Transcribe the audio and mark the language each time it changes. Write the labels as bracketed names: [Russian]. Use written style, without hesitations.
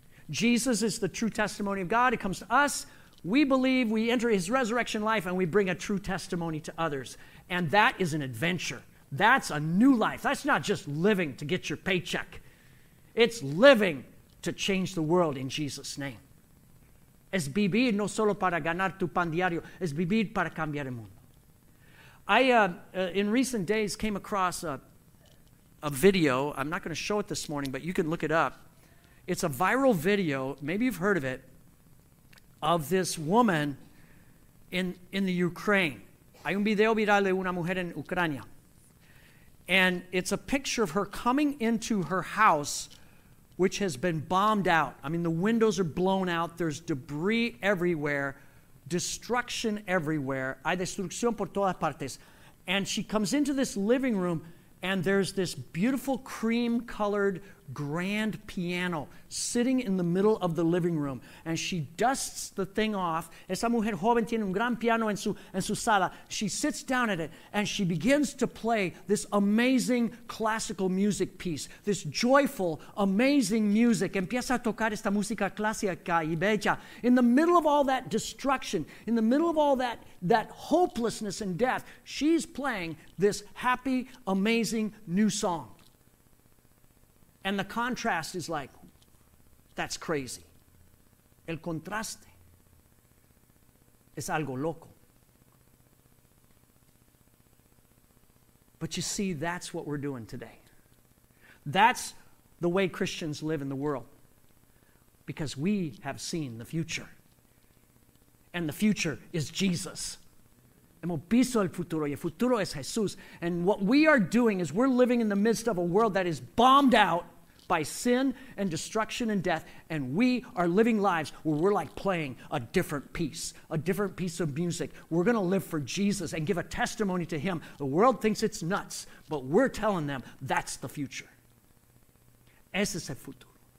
[English] Jesus is the true testimony of God. It comes to us. We believe, we enter his resurrection life, and we bring a true testimony to others. And that is an adventure. That's a new life. That's not just living to get your paycheck. It's living to change the world in Jesus' name. [Spanish] Es vivir no solo para ganar tu pan diario, es vivir para cambiar el mundo. [English] I, in recent days, came across a video. I'm not going to show it this morning, but you can look it up. It's a viral video, maybe you've heard of it, of this woman in the Ukraine. [Spanish] Hay un video viral de una mujer en Ucrania. [English] And it's a picture of her coming into her house, which has been bombed out. I mean, the windows are blown out. There's debris everywhere. Destruction everywhere. [Spanish] Hay destrucción por todas partes. [English] And she comes into this living room, and there's this beautiful cream-colored grand piano sitting in the middle of the living room. And she dusts the thing off. [Spanish] Esa mujer joven tiene un gran piano en su sala. [English] She sits down at it, and she begins to play this amazing classical music piece, this joyful, amazing music. [Spanish] Empieza a tocar esta música clásica y bella. [English] In the middle of all that destruction, in the middle of all that hopelessness and death, she's playing this happy, amazing new song. And the contrast is like, that's crazy. [Spanish] El contraste es algo loco. [English] But you see, that's what we're doing today. That's the way Christians live in the world. Because we have seen the future. And the future is Jesus. [Spanish] Hemos visto el futuro, y el futuro es Jesús. [English] And what we are doing is we're living in the midst of a world that is bombed out by sin and destruction and death, and we are living lives where we're like playing a different piece of music. We're going to live for Jesus and give a testimony to him. The world thinks it's nuts, but we're telling them that's the future. [Spanish] Ese es el futuro.